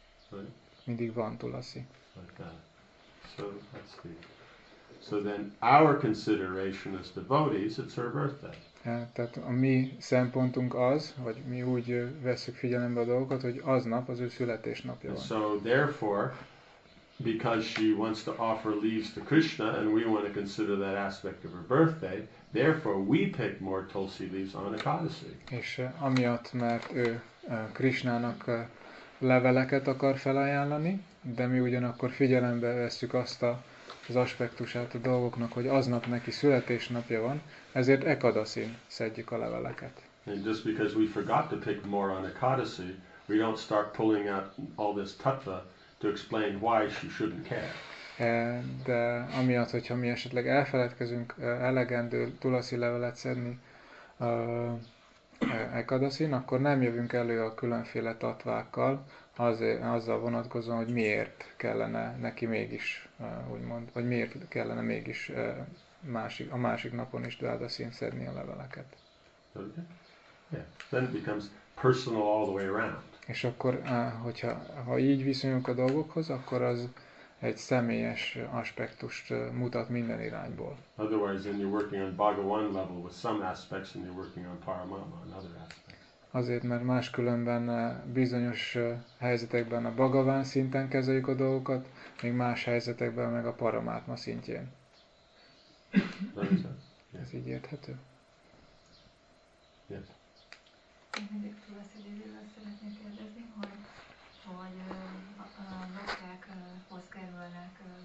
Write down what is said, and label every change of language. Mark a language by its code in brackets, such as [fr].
[en] Right? [hu] Mindig van Tulasi. [en] Like that. So that's the... So then our consideration as devotees, it's her birthday. [hu] Tehát a mi szempontunk az, vagy mi úgy veszük figyelembe a dolgokat, hogy aznap az ő születésnapja van. [en] So therefore, because she wants to offer leaves to Krishna, and we want to consider that aspect of her birthday, therefore we pick more tulsi leaves on Ekadasi. [hu] És amiatt, mert ő Krishnának leveleket akar felajánlani, de mi ugyanakkor figyelembe veszük azt az aspektusát a dolgoknak, hogy aznap neki születésnapja van, ezért Ekadasin szedjük a leveleket. [en] And just because we forgot to pick more on Ekadasi, we don't start pulling out all this tattva to explain why she shouldn't care. [hu] De amiatt, hogyha mi esetleg elfeledkezünk elegendő tulaszi levelet szedni Ekadasin, akkor nem jövünk elő a különféle tatvákkal, azzal vonatkozóan, hogy miért kellene neki mégis, úgymond, vagy miért kellene mégis a másik napon is Dvádasin szedni a leveleket. [en] Yeah. Then it becomes personal all the way around. [hu] És akkor, ha így viszonyunk a dolgokhoz, akkor az egy személyes aspektust mutat minden irányból. [en] Otherwise, then you're working on Bhagavan level with some aspects, and you're working on Paramatma another aspect. [hu] Azért, mert máskülönben bizonyos helyzetekben a Bhagavan szinten kezeljük a dolgokat, még más helyzetekben meg a Paramatma szintjén. [en] Yeah. [hu] Ez így érthető? [en] Yes. [hu] Én mindig túlászidővel szeretném kérdezni, hogy vakák hoz kerülnek